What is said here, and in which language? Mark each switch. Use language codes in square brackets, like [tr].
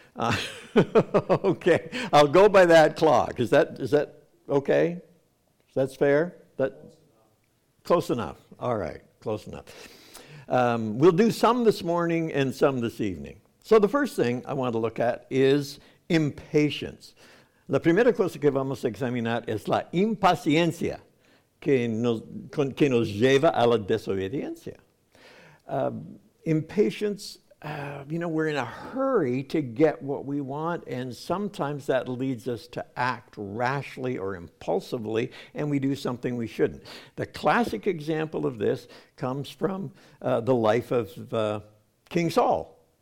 [en] Okay, I'll go by that clock. Is that okay? That's fair? Close enough. All right, close enough. We'll do some this morning and some this evening. So the first thing I want to look at is impatience. [es] La primera cosa que vamos a examinar es la impaciencia que nos lleva a la desobediencia. [en] Impatience, we're in a hurry to get what we want, and sometimes that leads us to act rashly or impulsively, and we do something we shouldn't. The classic example of this comes from the life of King Saul.